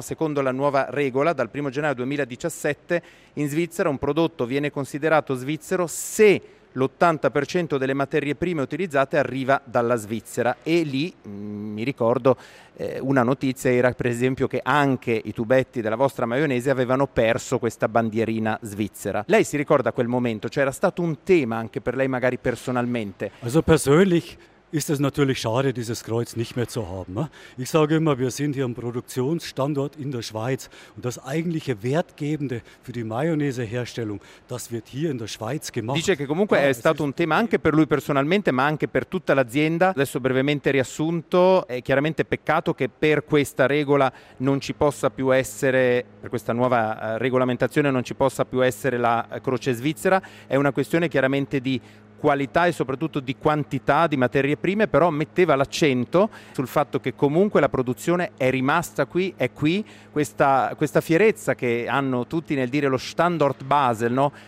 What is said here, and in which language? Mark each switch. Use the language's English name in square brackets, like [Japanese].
[Italian] Secondo la nuova regola, dal 1 gennaio 2017, in Svizzera un prodotto viene considerato svizzero se l'80% delle materie prime utilizzate arriva dalla Svizzera e lì, mi ricordo, una notizia era per esempio che anche i tubetti della vostra maionese avevano perso questa bandierina svizzera. Lei si ricorda quel momento? Cioè era stato un tema anche per lei magari personalmente? [German] Also persönlich ist es natürlich schade, dieses Kreuz nicht mehr zu haben. Ich sage immer, wir sind hier am Produktionsstandort in der Schweiz und das eigentliche Wertgebende für die Mayonnaise-Herstellung, das wird hier in der Schweiz gemacht. [Italian] Dice che comunque è stato un tema anche per lui personalmente, ma anche per tutta l'azienda. Adesso brevemente riassunto, è chiaramente peccato che per questa regola non ci possa più essere, per questa nuova regolamentazione non ci possa più essere la croce svizzera. È una questione chiaramente di qualità e soprattutto di quantità di materie prime, però metteva l'accento sul fatto che comunque la produzione è rimasta qui, è qui, questa fierezza che hanno tutti nel dire lo Standort Basel, no?